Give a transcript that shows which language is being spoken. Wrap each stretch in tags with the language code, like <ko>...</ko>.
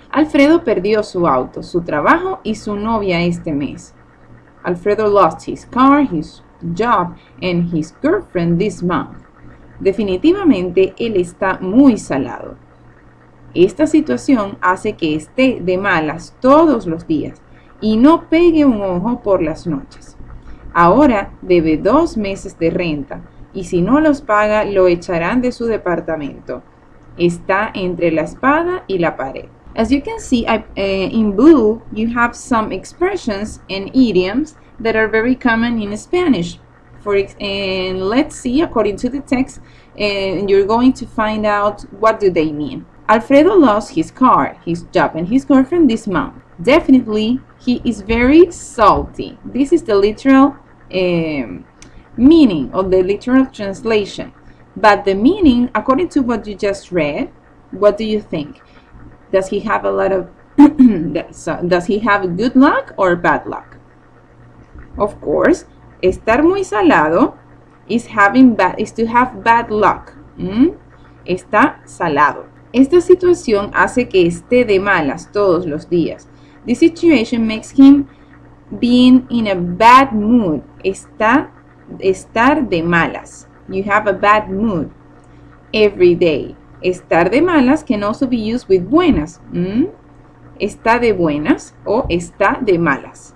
<es>Alfredo perdió su auto, su trabajo y su novia este mes.</es> <en>Alfredo lost his car, his job and his girlfriend this month.</en> <es>Definitivamente, él está muy salado. Esta situación hace que esté de malas todos los días. y no pegue un ojo por las noches. Ahora debe 2 meses de renta y si no los paga lo echarán de su departamento. Está entre la espada y la pared.</es> <en>As you can see, in blue, you have some expressions and idioms that are very common in Spanish. And let's see, according to the text, and you're going to find out what do they mean. Alfredo lost his car, his job, and his girlfriend this month. Definitely, he is very salty. This is the literal meaning of the literal translation. But the meaning, according to what you just read, what do you think? Does he have a lot of, does he have good luck or bad luck? Of course,</en> <es>estar muy salado</es> <en>is having bad, is to have bad luck.</en> <es>Está salado. Esta situación hace que esté de malas todos los días.</es> <en>This situation makes him being in a bad mood.</en> <es>Estar de malas.</es> <en>You have a bad mood every day.</en> <es>Estar de malas</es> <en>can also be used with</en> <es>buenas. Está de buenas o está de malas.</es>